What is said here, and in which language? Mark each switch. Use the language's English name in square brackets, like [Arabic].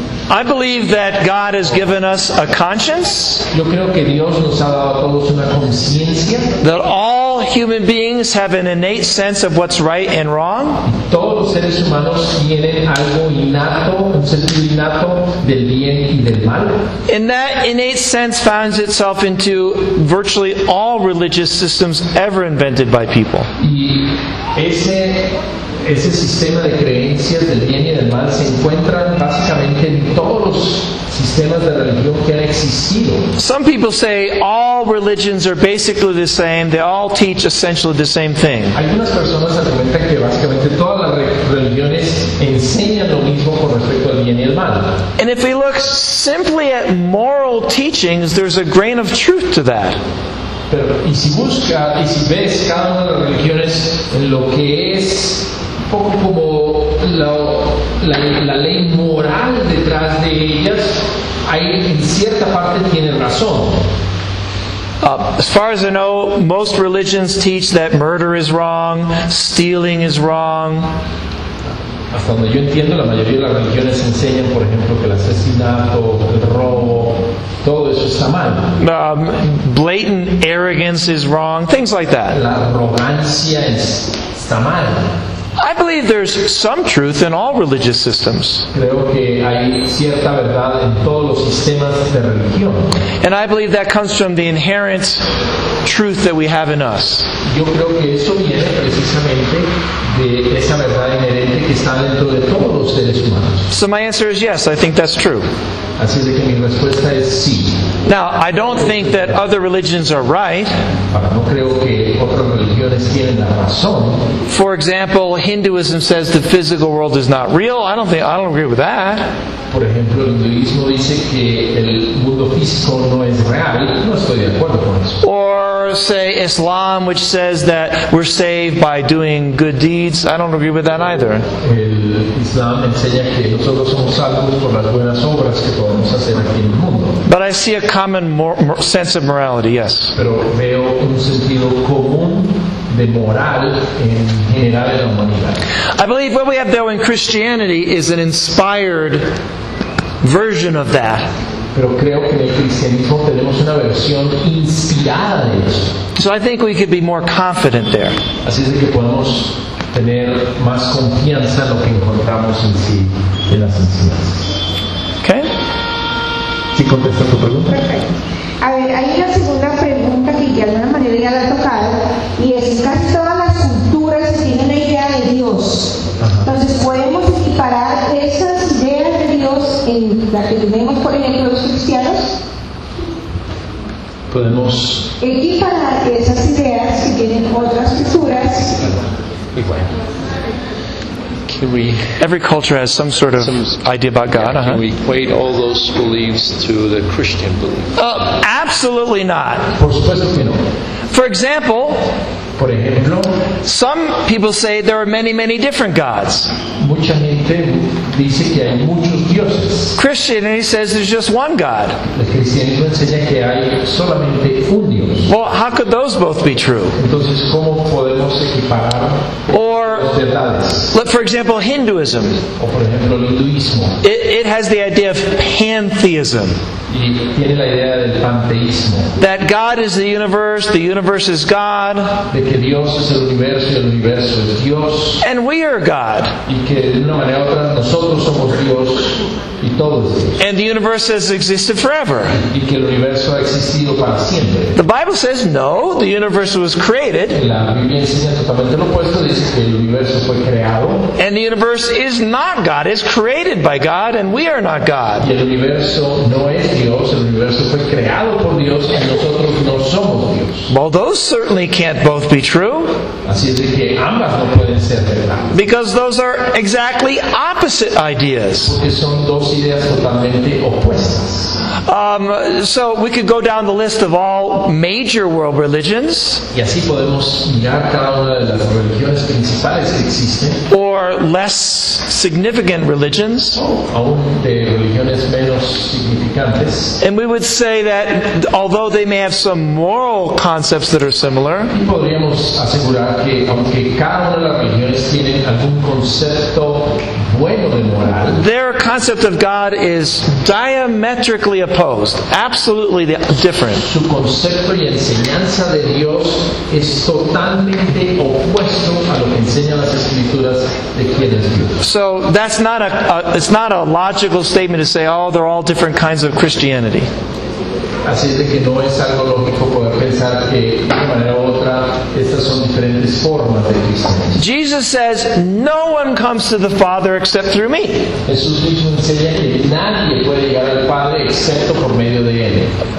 [English] I believe that God has given us a conscience. [Spanish] Yo creo que Dios nos ha dado a todos una conciencia. [English] That all human beings have an innate sense of what's right and wrong. [Spanish] Todos los seres humanos tienen algo innato, un sentido innato del bien y del mal. [English] And that innate sense finds itself into virtually all religious systems ever invented by people. [Spanish] Ese sistema de creencias del bien y del mal se encuentran básicamente en todos los sistemas de religión que han existido. [English] Some people say all religions are basically the same. They all teach essentially the same thing. [Spanish] Algunas personas argumentan que básicamente todas las religiones enseñan lo mismo con respecto al bien y el mal. [English] And if we look simply at moral teachings, there's a grain of truth to that. [Spanish] Pero y si busca y si ves cada una de las religiones en lo que es poco como la ley moral detrás de ellas, ahí en cierta parte tiene razón. [English] As far as I know, most religions teach that murder is wrong, stealing is wrong. [Spanish] Hasta donde yo entiendo, la mayoría de las religiones enseñan, por ejemplo, que el asesinato, el robo, todo eso está mal. [English] Blatant arrogance is wrong, things like that. [Spanish] La arrogancia está mal. [English] I believe there's some truth in all religious systems. [Spanish] Creo que hay cierta verdad en todos los sistemas de religión. [English] And I believe that comes from the inherent truth that we have in us. [Spanish] Yo creo que eso viene precisamente de esa verdad inherente que está dentro de todos los seres humanos. [English] So my answer is yes, I think that's true. [Spanish] Así es que mi respuesta es sí. [English] Now, I don't think that other religions are right. [Spanish] No creo que otras religiones tienen la razón. [English] For example, Hinduism says the physical world is not real. I don't agree with that. [Spanish] Por ejemplo, el hinduismo dice que el mundo físico no es real. No estoy de acuerdo con eso. [English] Or say Islam, which says that we're saved by doing good deeds. I don't agree with that either. [Spanish] El Islam enseña que nosotros somos salvos por las buenas obras que podemos hacer aquí en el mundo. [English] But I see a common sense of morality, yes. [Spanish] Pero veo un sentido común de moral en general en la humanidad. [English] I believe what we have though in Christianity is an inspired version of that. [Spanish] Pero creo que en el cristianismo tenemos una versión inspirada de eso. [English] So I think we could be more confident there. [Spanish] Así es que podemos tener más confianza en lo que encontramos en sí en las enseñanzas. [English] Okay. [Spanish] ¿Sí contesta tu pregunta? A ver, hay una segunda pregunta que de alguna manera ya la ha tocado, y es que casi todas las culturas tienen una idea de Dios. Entonces, ¿podemos equiparar esas ideas de Dios en la que tenemos, por ejemplo, los cristianos? Podemos equiparar esas ideas que tienen otras culturas. Igual. [English] Every culture has some sort of idea about God. Can we equate all those beliefs to the Christian belief? Absolutely not. [Spanish] Por supuesto que no. [English] For example, [Spanish] por ejemplo, [English] some people say there are many, many different gods. [Spanish] Mucha gente dice que hay muchos dioses. [English] Christianity says there's just one God. [Spanish] El cristianismo enseña que hay solamente un Dios. [English] Well, how could those both be true? [Spanish] Entonces, ¿cómo podemos equiparar? [English] Or, for example, Hinduism. [Spanish] O por ejemplo, el hinduismo. [English] It has the idea of pantheism. [Spanish] Y tiene la idea del panteísmo. [English] That God is the universe is God. [Spanish] De que Dios es el universo y el universo es Dios. [English] And we are God. [Spanish] Y que de una manera u otra nosotros somos Dios y todo es Dios. [English] And the universe has existed forever. [Spanish] Y que el universo ha existido para siempre. [English] The Bible says no, the universe was created. [Spanish] La Biblia enseña totalmente lo opuesto, dice que el universo fue creado. [English] And the universe is not God, it's created by God and we are not God. [Spanish] Y el universo no es Dios, el universo fue creado por Dios y nosotros no somos Dios. [English] Well, those certainly can't both be true. [Spanish] Así es que ambas no pueden ser verdad. [English] Because those are exactly opposite ideas. [Spanish] Porque son dos ideas totalmente opuestas. [English] So we could go down the list of all major world religions. [Spanish] Y así podemos mirar cada una de las religiones principales que existen. [English] Or less significant religions. [Spanish] O aún de religiones menos significantes. [English] And we would say that although they may have some moral concepts that are similar, [Spanish] y podríamos asegurar que aunque cada una de las religiones tienen algún concepto bueno de moral, [English] their concept of God is diametrically opposed, absolutely different. [Spanish] Su concepto y enseñanza de Dios es totalmente opuesto a lo que enseñan las escrituras de quién es Dios. [English] So that's not it's not a logical statement to say, oh, they're all different kinds of Christianity. [Spanish] Así es de que no es algo lógico poder pensar que de una manera u otra estas son diferentes formas de cristianismo. [English] Jesus says, no one comes to the Father except through me. [Spanish] Jesús mismo enseña que nadie puede llegar al Padre excepto por medio de él.